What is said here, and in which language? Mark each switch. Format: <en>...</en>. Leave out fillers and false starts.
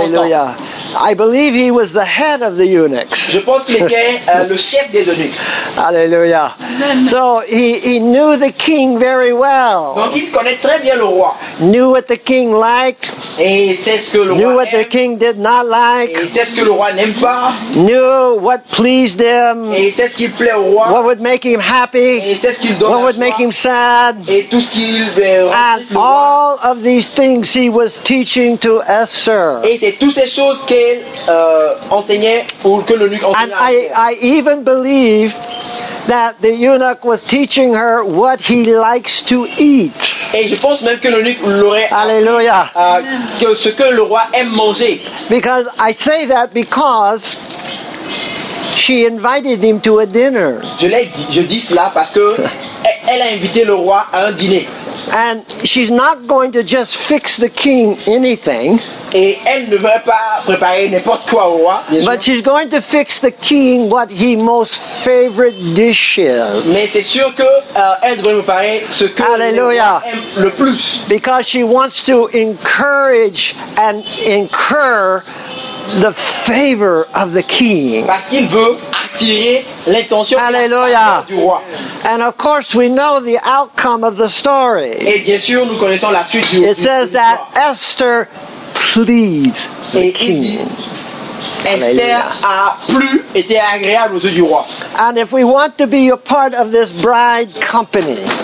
<fr>Alleluia. Longtemps.</fr> <en>I believe he was the head of the eunuchs.</en> <fr>Je pense qu'il était le chef des eunuques.</fr> <en>Alléluia. So he knew the king very well.</en> <fr>Donc il connaît très bien le roi.</fr> <en>Knew what the king liked.</en> <fr>Et c'est ce que le roi</fr> <en>knew what</en> <fr>aime.</fr> <en>The king did not like.</en> <fr>Et c'est ce que le roi n'aime pas.</fr> <en>Knew what pleased him.</en> <fr>Et c'est ce qui plaît au roi.</fr> <en>What would make him happy?</en> <fr>Et c'est ce qu'il donne</fr> <en>what would make him sad?</en> <fr>Et tout ce qu'il</fr> <en>and all of these things he was teaching to Esther.</en> <fr>Et c'est toutes ces choses qu'elle enseignait ou que le eunuque enseignait.</fr> <en>And I even believe that the eunuch was teaching her what he likes to eat.</en> <fr>Et je pense même que l'eunuque l'aurait Alléluia. Que ce que le roi aime manger.</fr> <en>Because I say that because she invited him to a dinner.</en> <fr>Je dis cela parce que elle a invité le roi à un dîner.</fr> <en>And she's not going to just fix the king anything.</en> <fr>Et elle ne veut pas préparer n'importe quoi au roi.</fr> <en>But she's going to fix the king what he most favorite dish is.</en> <fr>Mais c'est sûr que elle devrait préparer ce que Alleluia. Le roi aime le plus.</fr> <en>Because she wants to encourage and incur the favor of the king.</en> <fr>Parce qu'il veut attirer l'attention du roi.</fr> <en>And of course we know the outcome of the story.</en> <fr>Et bien sûr nous connaissons la suite du</fr> <en>It says that Esther pleads the</en> <fr>Et</fr> <en>king.</en> <fr>Esther a plu, était agréable aux yeux du roi.</fr> <en>And if we want to be a part of this bride company.</en>